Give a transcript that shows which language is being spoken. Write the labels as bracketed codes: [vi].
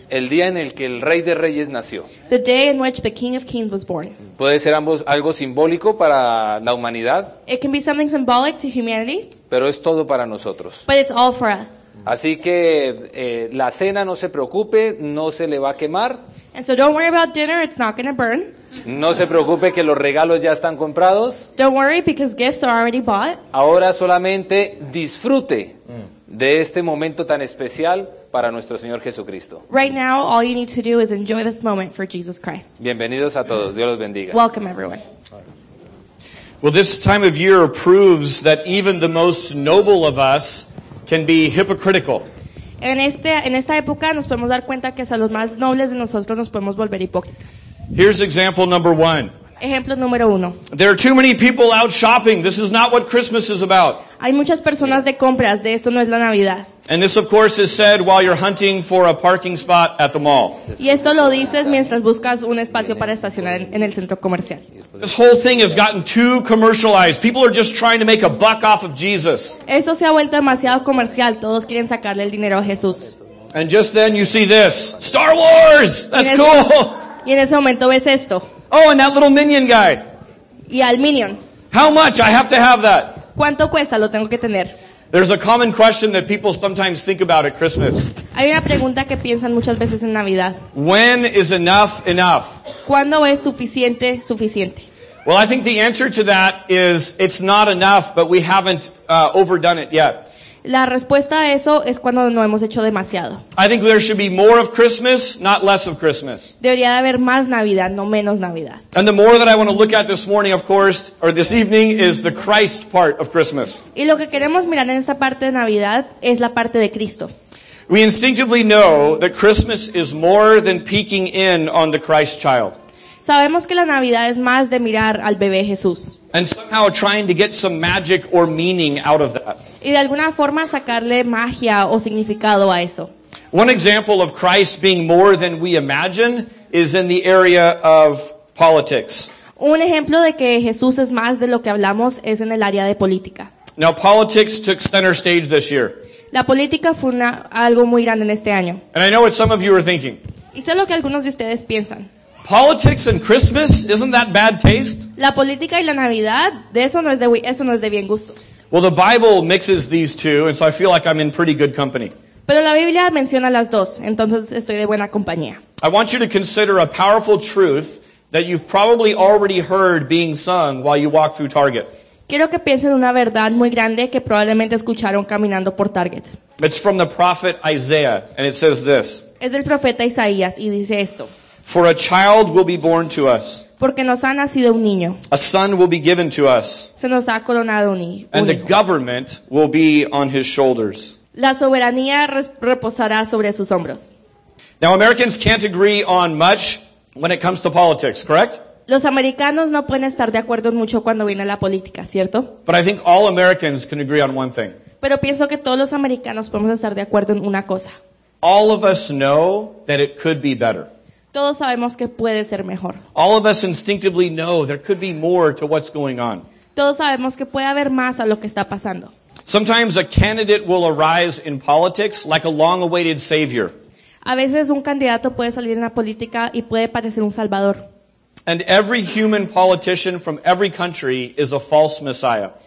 [es] El día en el que el Rey de Reyes nació. [en] The day in which the King of Kings was born. [es] Puede ser ambos algo simbólico para la humanidad. [en] It can be something symbolic to humanity. [es] Pero es todo para nosotros. [en] But it's all for us. [es] Así que la cena no se preocupe, no se le va a quemar. [en] And so don't worry about dinner, it's not going to burn. [es] No se preocupe que los regalos ya están comprados. [en] Don't worry because gifts are already bought. [es] Ahora solamente disfrute de este momento tan especial para nuestro Señor Jesucristo. [en] Right now, all you need to do is enjoy this moment for Jesus Christ. [es] Bienvenidos a todos. Dios los bendiga. [en] Welcome, everyone. Well, this time of year proves that even the most noble of us can be hypocritical. [es] En esta época nos podemos dar cuenta que hasta los más nobles de nosotros nos podemos volver hipócritas. [en] Here's example number one. [es] Ejemplo número uno. [en] There are too many people out shopping. This is not what Christmas is about. [es] Hay muchas personas de compras. De esto no es la Navidad. [en] And this, of course, is said while you're hunting for a parking spot at the mall. [es] Y esto lo dices mientras buscas un espacio para estacionar en el centro comercial. [en] This whole thing has gotten too commercialized. People are just trying to make a buck off of Jesus. [es] Eso se ha vuelto demasiado comercial. Todos quieren sacarle el dinero a Jesús. [en] And just then you see this. Star Wars! That's cool! [es] Y en ese momento ves esto. [en] Oh, and that little minion guy. [es] Y al minion. [en] How much? I have to have that. [es] ¿Cuánto cuesta? Lo tengo que tener. [en] There's a common question that people sometimes think about at Christmas. [es] Hay una pregunta que piensan muchas veces en Navidad. [en] When is enough enough? [es] ¿Cuándo es suficiente suficiente? [en] Well, I think the answer to that is it's not enough, but we haven't overdone it yet. [es] La respuesta a eso es cuando no hemos hecho demasiado. [en] I think there should be more of Christmas, not less of Christmas. [es] Debería de haber más Navidad, no menos Navidad. [en] And the more that I want to look at this morning, of course, or this evening, is the Christ part of Christmas. [es] Y lo que queremos mirar en esta parte de Navidad es la parte de Cristo. [en] We instinctively know that Christmas is more than peeking in on the Christ child. [es] Sabemos que la Navidad es más de mirar al bebé Jesús. [en] And somehow trying to get some magic or meaning out of that. [es] Y de alguna forma sacarle magia o significado a eso. [en] One example of Christ being more than we imagine is in the area of politics. [es] Un ejemplo de que Jesús es más de lo que hablamos es en el área de política. [en] Now politics took center stage this year. [es] La política fue algo muy grande en este año. [en] And I know what some of you are thinking. [es] Y sé lo que algunos de ustedes piensan. [en] Politics and Christmas, isn't that bad taste? [es] La política y la Navidad, eso no es de bien gusto. [en] Well, the Bible mixes these two, and so I feel like I'm in pretty good company. [es] Pero la Biblia menciona las dos, entonces estoy de buena compañía. [en] I want you to consider a powerful truth that you've probably already heard being sung while you walk through Target. [es] Quiero que piensen una verdad muy grande que probablemente escucharon caminando por Target. [en] It's from the prophet Isaiah, and it says this. [es] Es del profeta Isaías, y dice esto. [en] For a child will be born to us. [es] Porque nos ha nacido un niño. [en] A son will be given to us. [es] Se nos ha coronado un hijo. [en] And the government will be on his shoulders. [es] La soberanía reposará sobre sus hombros. [en] Now Americans can't agree on much when it comes to politics, correct? [es] Los americanos no pueden estar de acuerdo mucho cuando viene la política, ¿cierto? [en] But I think all Americans can agree on one thing. [es] Pero pienso que todos los americanos podemos estar de acuerdo en una cosa. [en] All of us know that it could be better. [es] Todos sabemos que puede ser mejor. [en] All of us instinctively know there could be more to what's going on. [es] Todos sabemos que puede haber más a lo que está pasando. [en] Sometimes a candidate will arise in politics like a long-awaited savior. [es] A veces un candidato puede salir en la política y puede parecer un salvador. [en] And every human politician from every country is a false messiah.